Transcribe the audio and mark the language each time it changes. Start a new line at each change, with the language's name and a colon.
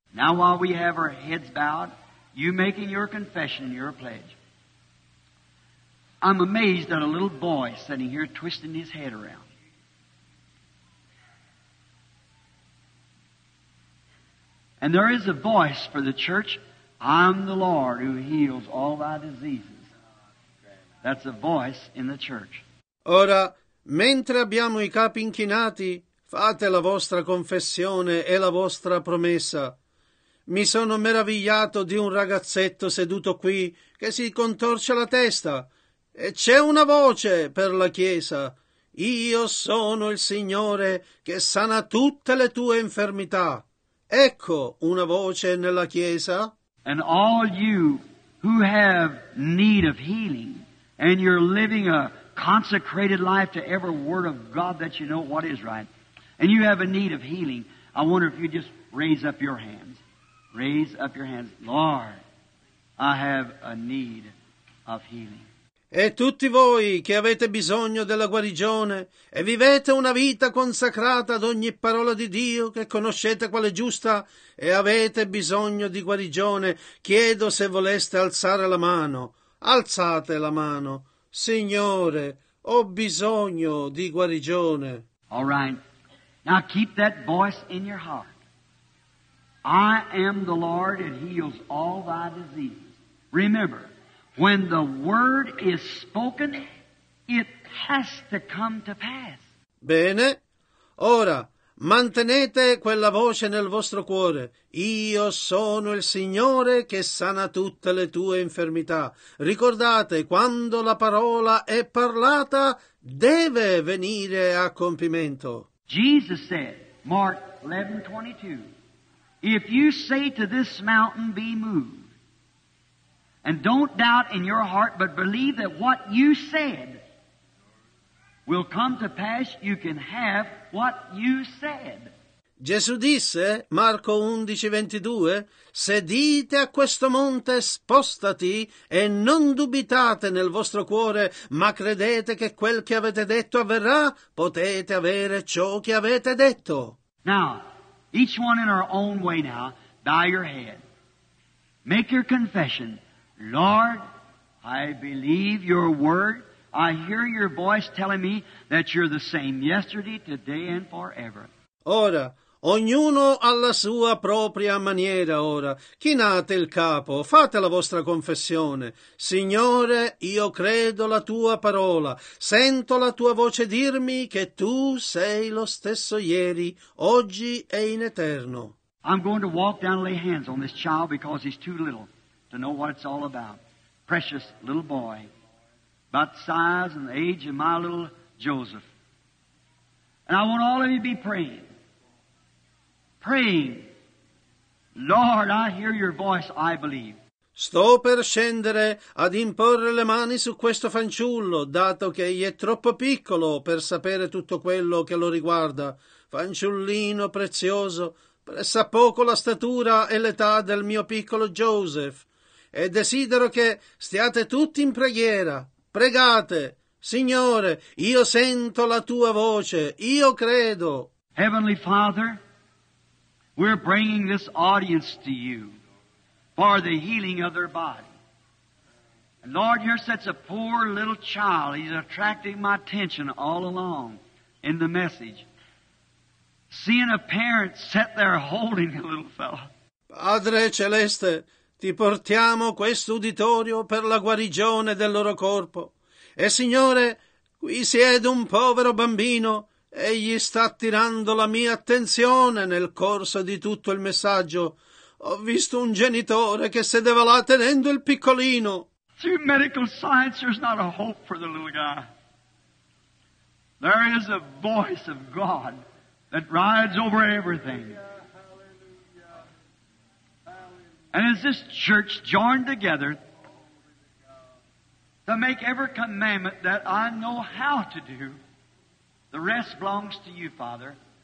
English: Now while we have our heads bowed, you making your confession and your pledge. I'm amazed at a little boy sitting here twisting his head around. And there is a voice for the church, I'm the Lord who heals all thy diseases. That's a voice in the church.
Italian: Ora, mentre abbiamo i capi inchinati, fate la vostra confessione e la vostra promessa. Mi sono meravigliato di un ragazzetto seduto qui che si contorce la testa. E c'è una voce per la Chiesa. Io sono il Signore che sana tutte le tue infermità. Ecco una voce nella Chiesa.
English: And all you who have need of healing and you're living a consecrated life to every word of God that you know what is right and you have a need of healing, I wonder if you just raise up your hands. Raise up your hands. Lord, I have a need of healing.
Italian: E tutti voi che avete bisogno della guarigione e vivete una vita consacrata ad ogni parola di Dio che conoscete quale giusta e avete bisogno di guarigione, chiedo se voleste alzare la mano. Alzate la mano. Signore, ho bisogno di guarigione.
English: All right. Now keep that voice in your heart. I am the Lord and heals all thy diseases. Remember, when the word is spoken, it has to come to pass.
Italian: Bene. Ora, mantenete quella voce nel vostro cuore. Io sono il Signore che sana tutte le tue infermità. Ricordate, quando la parola è parlata, deve venire a compimento.
English: Jesus said, Mark 11:22, if you say to this mountain, be moved, And don't doubt in your heart, but believe that what you said will come to pass. You can have what you said.
Italian: Gesù disse, Marco 11:22, se dite a questo monte spostati e non dubitate nel vostro cuore, ma credete che quel che avete detto avverrà, potete avere ciò che avete detto.
English: Now, each one in our own way now, bow your head. Make your confession. Lord, I believe your word. I hear your voice telling me that you're the same yesterday, today and forever.
Italian: Ora, ognuno alla sua propria maniera ora. Chinate il capo, fate la vostra confessione. Signore, io credo la tua parola. Sento la tua voce dirmi che tu sei lo stesso ieri, oggi e in eterno.
English: I'm going to walk down and lay hands on this child because he's too little to know what it's all about. Precious little boy, about the size and the age of my little Joseph. And I want all of you to be praying. Praying, Lord, I hear your voice, I believe.
Italian: Sto per scendere ad imporre le mani su questo fanciullo, dato che egli è troppo piccolo per sapere tutto quello che lo riguarda. Fanciullino prezioso, pressa poco la statura e l'età del mio piccolo Joseph. E desidero che stiate tutti in preghiera. Pregate, Signore, io sento la tua voce, io credo.
English: Heavenly Father, we're bringing this audience to you for the healing of their body. And Lord, you're such a poor little child. He's attracting my attention all along in the message. Seeing a parent sit there holding the little fellow.
Italian: Padre Celeste, ti portiamo questo uditorio per la guarigione del loro corpo. E Signore, qui siede un povero bambino. Egli sta attirando la mia attenzione nel corso di tutto il messaggio. Ho visto un genitore che sedeva là tenendo il piccolino.
English: Through medical science, there's not a hope for the little guy. There is a voice of God that rides over everything. And as this church joined together to make every commandment that I know how to do, the rest belongs to you, Father.